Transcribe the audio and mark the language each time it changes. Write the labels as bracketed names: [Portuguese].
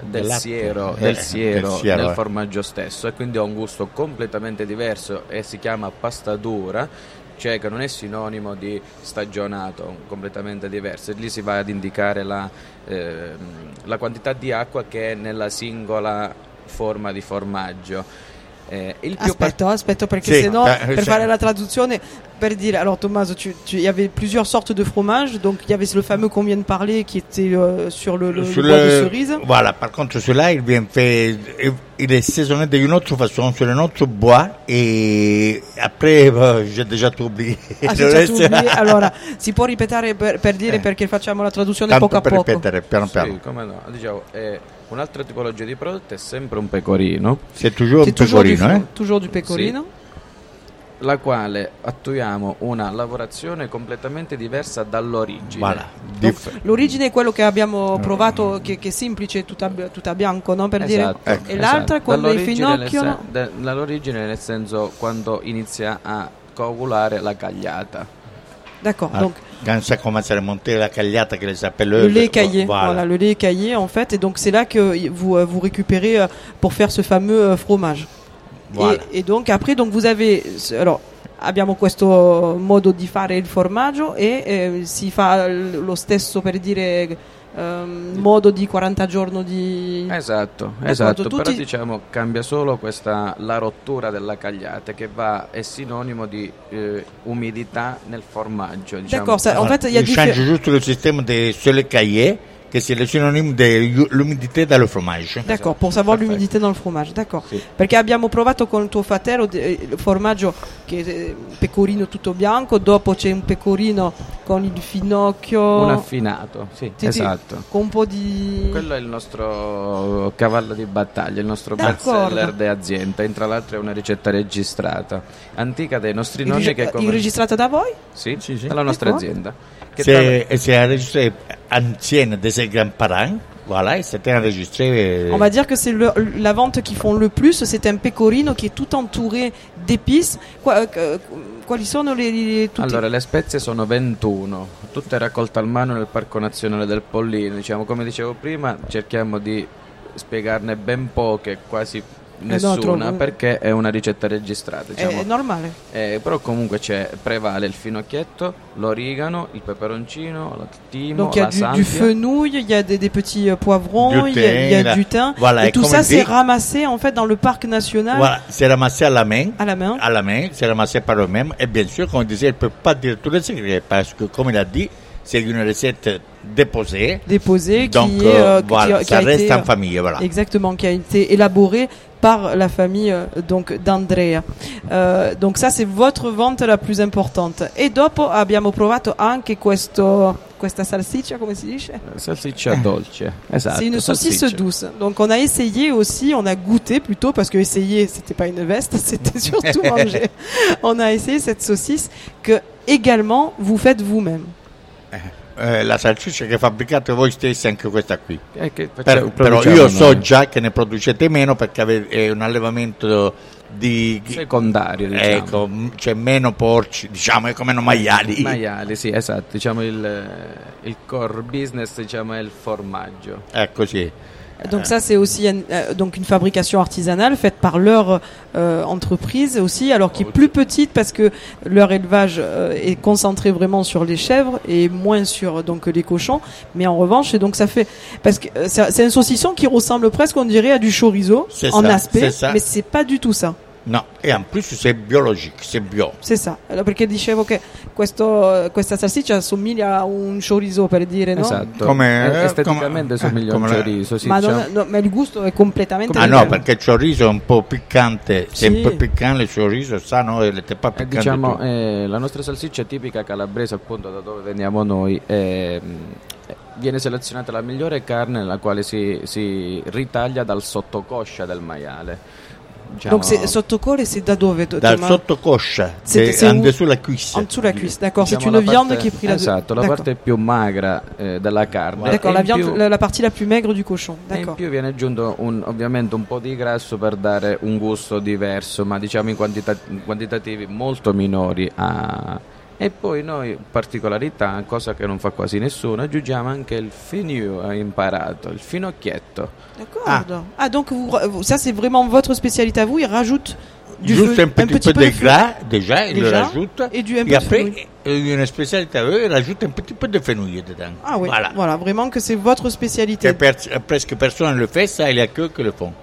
[Italian] siero nel formaggio stesso, e quindi ha un gusto completamente diverso e si chiama pasta dura, cioè che non è sinonimo di stagionato, completamente diverso. Lì si va ad indicare la quantità di acqua che è nella singola forma di formaggio. Aspetta, perché sì, se no, per fare la traduzione, per dire, allora [French] Tommaso, il y avait plusieurs sortes de fromage, donc il y avait le fameux qu'on vient de parler qui était sur le bois de cerise. Voilà, par contre, celui-là, il vient fait, il est saisonné d'une autre façon, sur un autre bois, et après, j'ai déjà tout oublié. [Italian] Allora, si può ripetere per dire perché facciamo la traduzione poco a poco? Tanto per ripetere, piano piano. Sì, come no, diciamo, un'altra tipologia di prodotto è sempre un pecorino. C'è [French] toujours un pecorino, eh? Toujours du pecorino. [Italian] La quale attuiamo una lavorazione completamente diversa dall'origine. [French] Voilà. [Italian] L'origine è quello che abbiamo provato, che è semplice, tutta bianco, no? Per esatto. Dire. Ecco. E l'altra esatto. Quando il finocchio. L'origine nel senso quando inizia a coagulare la cagliata. [French] D'accord. Ah. Donc, quand ça commence à monter la cagliata, que les appelle le lait caillé. Voilà, le lait caillé en fait. Et donc c'est là que vous récupérez pour faire ce fameux fromage. Voilà. Et donc après, donc vous avez, alors, [Italian] abbiamo questo modo di fare il formaggio e si fa lo stesso per dire modo di 40 giorni di esatto, di esatto. Però tutti... diciamo cambia solo questa la rottura della cagliata che va è sinonimo di umidità nel formaggio. Diciamo. [French] D'accord, ça, en fait, il y a [Italian] change giusto il sistema de sole caillé. Che sia il sinonimo dell'umidità del fromage. D'accordo, per sapere l'umidità nel fromage, d'accordo. Sì. Perché abbiamo provato con il tuo fratello il formaggio che è pecorino tutto bianco, dopo c'è un pecorino con il finocchio. Un affinato, sì, esatto. Con un po' di. Quello è il nostro cavallo di battaglia, il nostro bestseller di azienda, e tra l'altro è una ricetta registrata, antica dai nostri nonni. Registrata da voi? Sì, sì, sì. Dalla nostra azienda. [French] C'est enregistré ancienne de ses grands-parents. Voilà, c'était enregistré. On va dire que c'est la vente qu'ils font le plus. C'est un pecorino qui est tout entouré d'épices. [Italian] Quali sono le tutti? Allora, le spezie sono 21, tutte raccolte al mano nel Parco Nazionale del Pollino. Diciamo, come dicevo prima, cerchiamo di spiegarne ben poche, quasi nessuna, perché è una ricetta registrata, diciamo. È normale. Però comunque c'è, prevale il finocchietto, l'origano, il peperoncino, il timo, la santia. [French] Du fenouil, il y a des petits poivrons, il y a du thym, voilà, et tout ça c'est ramassé en fait dans le parc national. Voilà, c'est ramassé à la main. À la main. À la main, c'est ramassé par eux-mêmes, et bien sûr, comme on disait, il peut pas dire tous les secrets, parce que comme il a dit, c'est une recette déposée. Déposée, donc, qui est, voilà, qui a ça reste été, en famille, voilà. Exactement, qui a été élaborée par la famille donc d'Andrea. Donc ça c'est votre vente la plus importante. [Italian] E dopo abbiamo provato anche questa salsiccia, come si dice? Salsiccia dolce. Esatto. [French] C'est une saucisse douce. Donc on a essayé aussi, on a goûté plutôt, parce que essayer c'était pas une veste, c'était surtout manger. On a essayé cette saucisse que également vous faites vous-même. [Italian] La salsiccia che fabbricate voi stessi, anche questa qui, che però io so già che ne producete meno, perché è un allevamento di secondario, diciamo. Ecco, c'è meno porci, diciamo, è come meno maiali. Maiali, sì, esatto, diciamo il core business, diciamo, è il formaggio. Ecco, sì. [French] Donc ça c'est aussi donc une fabrication artisanale faite par leur entreprise aussi, alors qui est plus petite parce que leur élevage est concentré vraiment sur les chèvres et moins sur donc les cochons, mais en revanche, et donc ça fait, parce que c'est un saucisson qui ressemble presque, on dirait, à du chorizo, c'est en ça, aspect, c'est ça. Mais c'est pas du tout ça. [Italian] No, e in più è biologico, è bio. [French] C'est ça. [Italian] Allora, perché dicevo che questa salsiccia assomiglia a un chorizo, per dire, no? Esatto. Come esteticamente somiglia a un chorizo, sì. Ma, ma il gusto è completamente diverso. Ah no, perché il chorizo è un po' piccante, sì. Se è un po' piccante il chorizo, sa, no? E le piccante, diciamo, la nostra salsiccia tipica calabrese, appunto, da dove veniamo noi, viene selezionata la migliore carne nella quale si ritaglia dal sottocoscia del maiale. Diciamo, [French] donc c'est sottocoscia, c'est [Italian] da dove? Dal sottocoscia, [French] c'est dessous la cuisse. En dessous la cuisse, d'accord. [Italian] Diciamo, [French] c'est une viande qui est prise là-dessus. [Italian] Esatto, la parte più magra della carne. [French] Voilà. D'accord, la partie la plus maigre du cochon, d'accord. [Italian] E in più viene aggiunto ovviamente un po' di grasso per dare un gusto diverso, ma diciamo in quantitativi molto minori. E poi noi, particolarità, cosa che non fa quasi nessuno, aggiungiamo anche il fenouil, imparato, il finocchietto. D'accordo. [French] Ah, donc ça c'est vraiment votre spécialité à vous, il rajoute du feu, un petit peu de gras, déjà, il le rajoute. Et du un peu après, une spécialité à eux, il rajoute un petit peu de fenouil dedans. Ah oui, voilà, vraiment que c'est votre spécialité. Presque personne ne le fait, ça, il n'y a que le font.